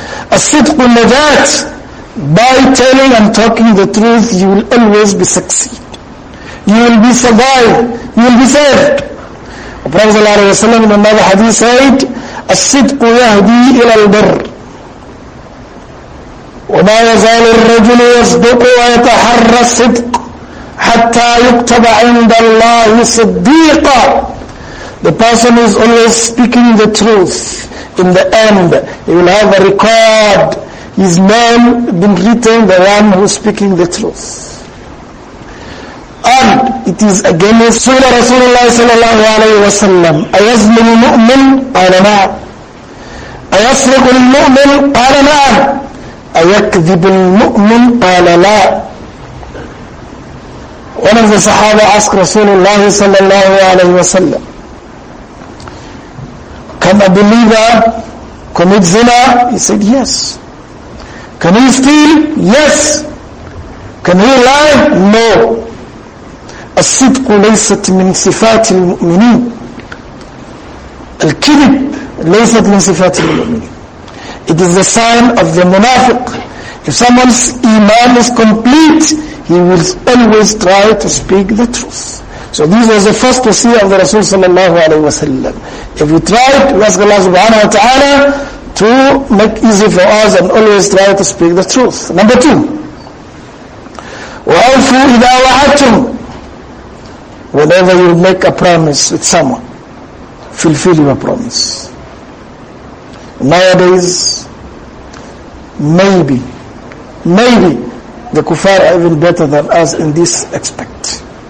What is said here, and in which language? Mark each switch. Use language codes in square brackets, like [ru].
[ar] الصدق النجات. [en] By telling and talking the truth, you will always be succeed. You will be survived. You will be saved. The Prophet sallallahu alaihi wasallam in another hadith said, [ar] الصدق يهدي إلى البر. وما يزال الرجل يصدق ويتحرى الصدق حتى يكتب عند الله صديقا. [en] The person is always speaking the truth. In the end, he will have a record. His name been written, the one who is speaking the truth. And it is again Surah Rasulullah sallallahu alayhi wa sallam. [ar] أَيَزْلِمُ الْمُؤْمِنْ قَالَ نَعْمُ أَيَسْرِقُ الْمُؤْمِنْ قَالَ نَعْمُ أَيَكْذِبُ الْمُؤْمِنْ قَالَ لَا. [en] One of the Sahaba asked Rasulullah sallallahu alayhi wa sallam, can a believer commit zina? He said, yes. Can he steal? Yes. Can he lie? No. [ar] الصدق ليست من صفات المؤمنين. الكذب ليست من صفات المؤمنين. [en] It is the sign of the munafiq. If someone's iman is complete, he will always try to speak the truth. So this was the first wasiyah of the Rasul sallallahu alayhi wa sallam. If we try to ask Allah subhanahu wa ta'ala to make easy for us and always try to speak the truth. Number two, [ar] وَأَوْفُوا إِذَا وَعَدْتُمْ. [en] Whenever you make a promise with someone, fulfill your promise. Nowadays, maybe the kuffar are even better than us in this aspect.